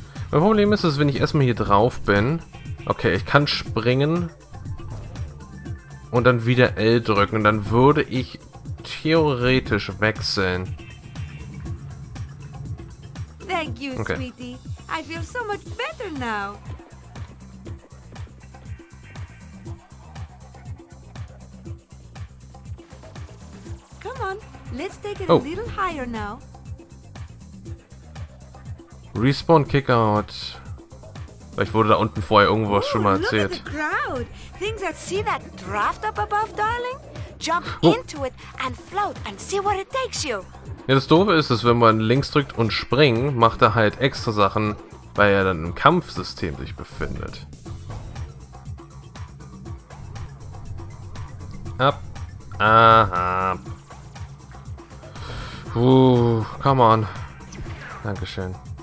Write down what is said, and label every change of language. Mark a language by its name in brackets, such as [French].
[German] Mein Problem ist, dass wenn ich erstmal hier drauf bin, okay, ich kann springen und dann wieder L drücken, dann würde ich theoretisch wechseln. [English] Thank you, okay. Sweetie. I feel so much better now. Come on, let's take it a little higher now. Respawn Kickout. [German] Vielleicht wurde da unten vorher irgendwas schon mal erzählt. [English] Things that see that draft up above, darling. Jump into it and float and see what it takes you. [German] Ja, das Doofe ist, dass wenn man links drückt und springen, macht er halt extra Sachen, weil er dann im Kampfsystem sich befindet. Ab. Aha. [English] Come on. [German] Dankeschön.